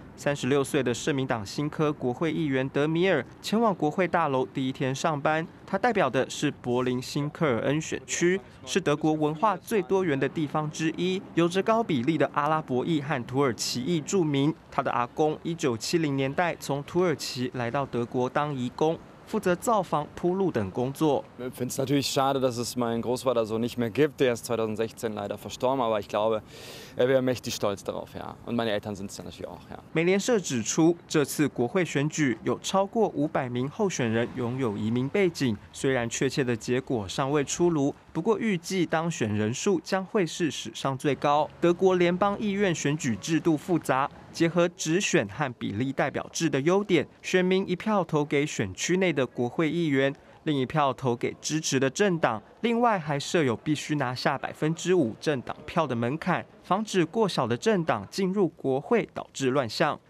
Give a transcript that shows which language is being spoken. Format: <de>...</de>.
<zh>36岁的社民党新科国会议员德米尔前往国会大楼第一天上班，他代表的是柏林新科尔恩选区，是德国文化最多元的地方之一，有着高比例的阿拉伯裔和土耳其裔住民。他的阿公1970年代从土耳其来到德国当移工，负责造访、铺路等工作。</zh> <de>Ich finde es natürlich schade, dass es meinen Großvater so nicht mehr gibt. Er ist 2016 leider verstorben, aber ich glaube, er wäre mächtig stolz darauf, ja. Und meine Eltern sind es natürlich auch, ja.</de> <zh>美联社指出，这次国会选举有超过500名候选人拥有移民背景，虽然确切的结果尚未出炉，不过预计当选人数将会是史上最高。德国联邦议院选举制度复杂，结合直选和比例代表制的优点，选民一票投给选区内的国会议员，另一票投给支持的政党，另外还设有必须拿下5%政党票的门槛，防止过小的政党进入国会导致乱象。</zh>